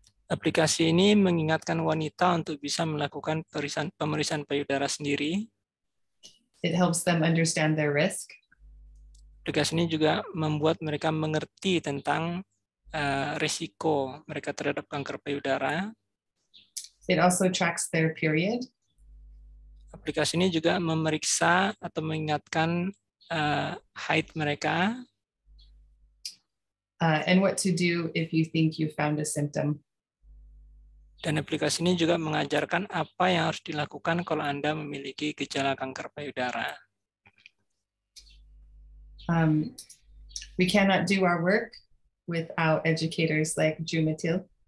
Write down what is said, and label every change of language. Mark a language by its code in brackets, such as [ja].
[id] Aplikasi ini mengingatkan wanita untuk bisa melakukan pemeriksaan payudara sendiri. [en] It helps them understand their risk. [id] Aplikasi ini juga membuat mereka mengerti tentang risiko mereka terhadap kanker payudara. [en] It also tracks their period. [id] Aplikasi ini juga memeriksa atau mengingatkan height mereka. [en] And what to do if you think you found a symptom. [id] Dan aplikasi ini juga mengajarkan apa yang harus dilakukan kalau Anda memiliki gejala kanker payudara. [en] We cannot do our work without educators like Jumatil.